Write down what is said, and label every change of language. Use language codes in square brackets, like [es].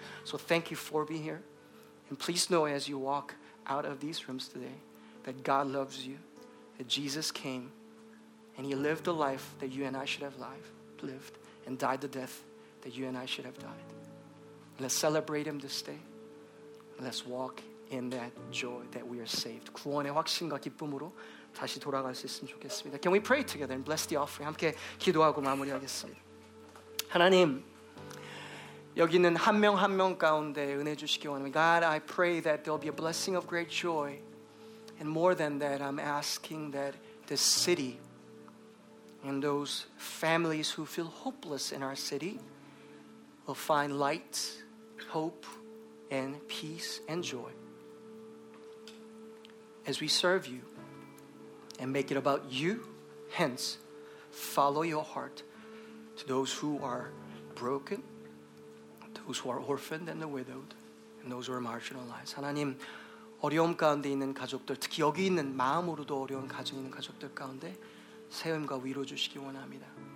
[en] So thank you for being here. And please know as you walk out of these rooms today that God loves you, that Jesus came, and he lived the life that you and I should have lived, and died the death that you and I should have died. Let's celebrate him this day. Let's walk in that joy that we are saved. [ko] 구원의 확신과 기쁨으로 다시 돌아갈 수 있으면 좋겠습니다. [en] Can we pray together and bless the offering? [ko] 함께 기도하고 마무리하겠습니다. 하나님, 여기 있는 한 명 한 명 가운데 은혜 주시기 원합니다. [en] God, I pray that there'll be a blessing of great joy. And more than that, I'm asking that this city and those families who feel hopeless in our city will find light, hope, and peace and joy as we serve you and make it about you. Hence, follow your heart to those who are broken, those who are orphaned and the widowed, and those who are marginalized. [ko] 하나님, 어려움 가운데 있는 가족들, 특히 여기 있는 마음으로도 어려운 가정 있는 가족들 가운데 세움과 위로 주시기 원합니다.